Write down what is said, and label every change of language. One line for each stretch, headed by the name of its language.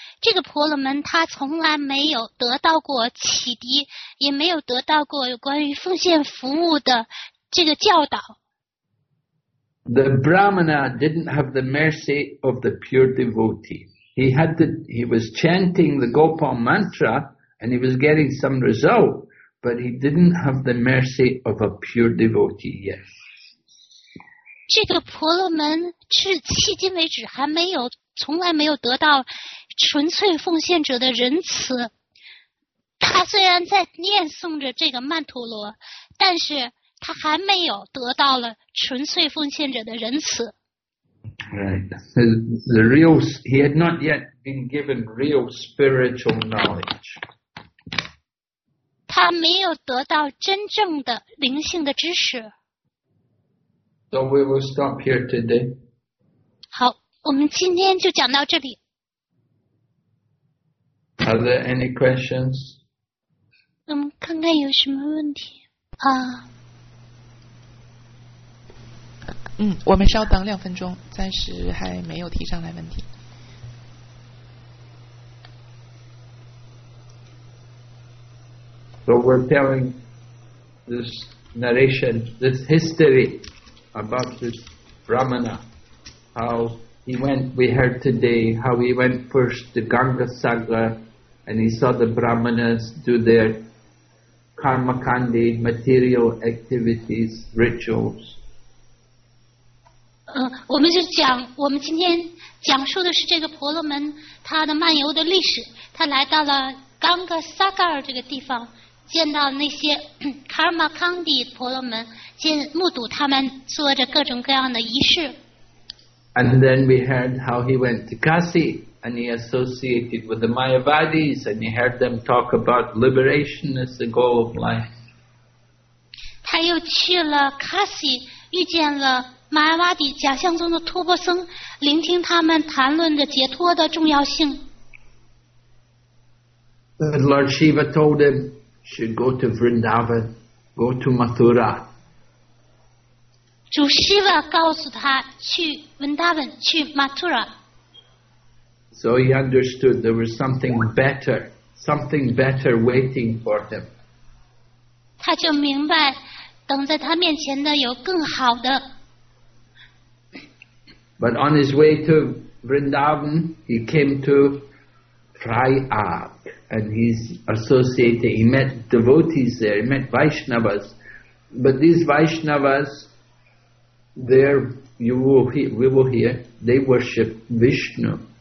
Chinese: 这个婆罗门他从来没有得到过启迪，也没有得到过有关于奉献服务的这个教导。
English: The Brahmana didn't have the mercy of the pure devotee. He was chanting the Gopal mantra and he was getting some result, but he didn't have the mercy of a pure devotee yet.
Chinese: 这个婆罗门是迄今为止还没有，从来没有得到纯粹奉献者的仁慈。他虽然在念诵着这个曼陀罗，但是他还没有得到了纯粹奉献者的仁慈。
English: Right, the real he had not yet been given real spiritual knowledge.
Chinese: 他没有得到真正的灵性的知识。
English: So we will stop here today.
Chinese: 好，我们今天就讲到这里。
English: Are there any questions?
Chinese: 看看有什么问题啊。我们稍等两分钟，暂时还没有提上来问题。
English: So we're telling this narration, this history about this Brahmana, how he went, we heard today, how he went first to Ganga Sagar and he saw the Brahmanas do their karmakandi, material activities, rituals.
Chinese: 我们就讲，我们今天讲述的是这个婆罗门他的漫游的历史，他来到了 Ganga Sagar 这个地方，见到那些卡尔玛康帝婆罗门，见目睹他们做着各种各样的仪式。
English: And then we heard how he went to Kasi and he associated with the Mayavadis and he heard them talk about liberation as the goal of life.
Chinese: 他又去了 Kasi， 遇见了 Mayavadi 假象中的托钵僧，聆听他们谈论着解脱的重要性。
English: And Lord Shiva told him. Should go to Vrindavan, go to Mathura.
Chinese: 主希瓦告诉他去 Vrindavan, 去 Mathura.
English: So he understood there was something better waiting for him.
Chinese: 他就明白等在他面前的有更好的。
English: But on his way to Vrindavan, he came to Prayag. And he's associated, he met devotees there, he met Vaishnavas. But these Vaishnavas, there, we will hear, they worship Vishnu.